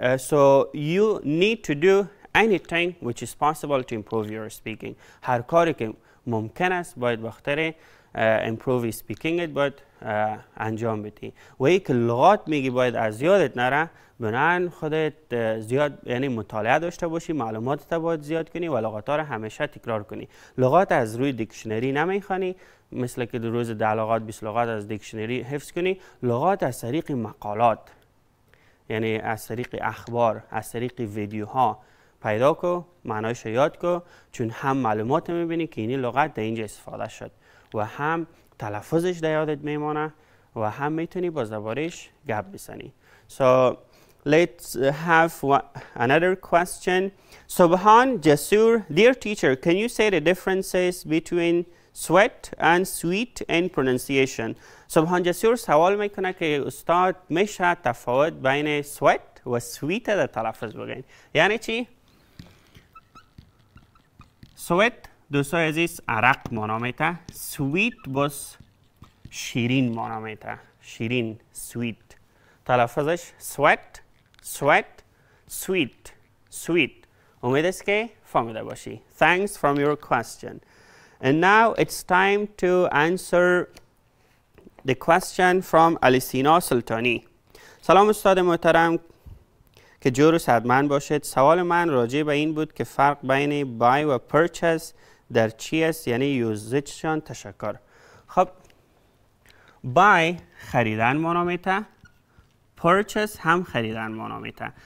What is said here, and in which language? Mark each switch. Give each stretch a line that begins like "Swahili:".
English: So you need to do anything which is possible to improve your speaking.
Persian: هر کاری که ممکن است باید بختر
English: improve speaking it
Persian: باید انجام بدی. و ای که لغات میگی باید از یادت نره، بنان خودت زیاد یعنی مطالعه داشته باشی، معلوماتت باید زیاد کنی و لغات ها رو همیشه تکرار کنی. لغات از روی دیکشنری نمیخوانی، مثل که در روز 10 لغات 20 لغات از دیکشنری حفظ کنی. لغات از طریق مقالات، یعنی از طریق اخبار، از طریق ویدیوها پیدا کن، معنایش یاد کن، چون هم معلومات میبینی که این لغت در اینجا استفاده شد و هم تلفظش در یادت میمانه و هم میتونی با زبانش گپ بزنی.
English: So let's have another question. Subhan Jasur, dear teacher, can you say the differences between sweat and sweet in pronunciation?
Persian: Subhan Jasur سوال میکنه که استاد میشه تفاوت بین sweat و sweet در تلفظ بگین. یعنی چی؟ Sweat دوستو عزیز عرق مانا میته، sweet بس شیرین مانا میته، شیرین sweet. تلفظش sweat، sweat، sweet، sweet. امید است که فهمیده باشی.
English: Thanks from your question. And now it's time to answer the question from Alisina Sultani.
Persian: سلام استاد محترم، که جور و سعدمند باشد. سوال من راجع به این بود که فرق بین buy و purchase در چی است، یعنی usageشان. تشکر. خب buy خریدن مانا میته، purchase هم خریدن مانا میته.